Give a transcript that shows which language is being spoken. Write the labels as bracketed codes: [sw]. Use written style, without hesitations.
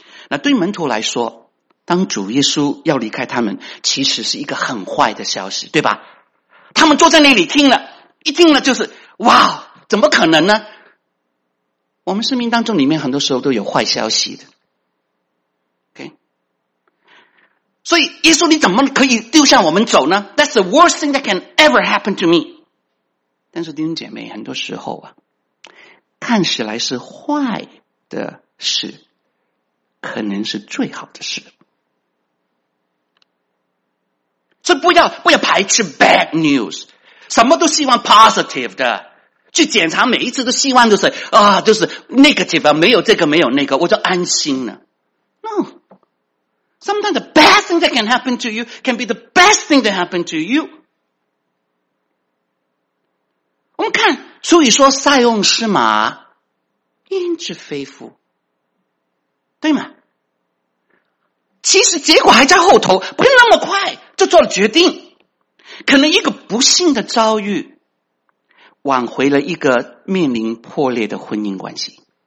[zh] 那对门徒来说，当主耶稣要离开他们，其实是一个很坏的消息，对吧？他们坐在那里听了，一听了就是哇，怎么可能呢？我们生命当中里面很多时候都有坏消息的。所以耶稣你怎么可以丢下我们走呢？ [en] That's the worst thing that can ever happen to me. [zh] 但是弟兄姐妹，很多时候啊，看起来是坏的事，可能是最好的事。所以不要排斥 [en] bad news， [zh] 什么都希望 positive 的，去检查每一次都希望都是啊，就是 negative， 没有这个没有那个，我就安心了。 [en] No。 Sometimes the bad thing that can happen to you can be the best thing that happened to you. [zh] 我们看，所以说塞翁失马，焉知非福，对吗？其实结果还在后头，不是那么快就做了决定。可能一个不幸的遭遇，挽回了一个面临破裂的婚姻关系。